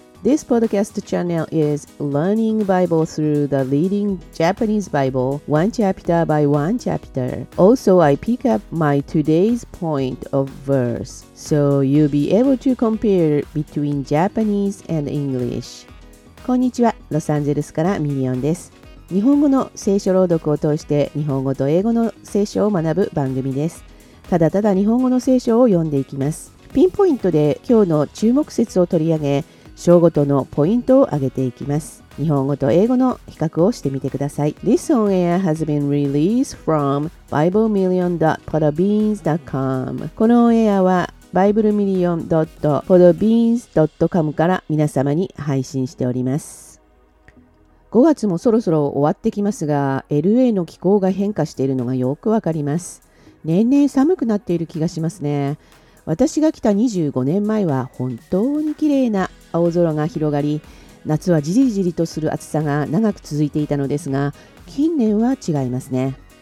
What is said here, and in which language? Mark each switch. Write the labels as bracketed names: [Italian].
[English] This podcast channel is learning Bible through the leading Japanese Bible, one chapter by one chapter. Also, I pick up my today's point of verse, so you'll be able to compare between Japanese and English. [Japanese] こんにちは、ロサンゼルスからミリオンです。日本語の聖書朗読を通して日本語と英語の聖書を学ぶ番組です。ただただ日本語の聖書を読んでいきます。ピンポイントで今日の注目節を取り上げ、章ごとのポイントを挙げていきます。日本語と英語の比較をしてみてください。 [English] This on air has been released from BibleMillion.podbeans.com。 [Japanese] このオンエアは BibleMillion.podbeans.com から皆様に配信しております。 5月もそろそろ終わってきますが、LA の気候が変化しているのがよくわかります。年々寒くなっている気がしますね。私が来た25年前は本当に綺麗な青空が広がり、夏はじりじりとする暑さが長く続いていたのですが、近年は違いますね。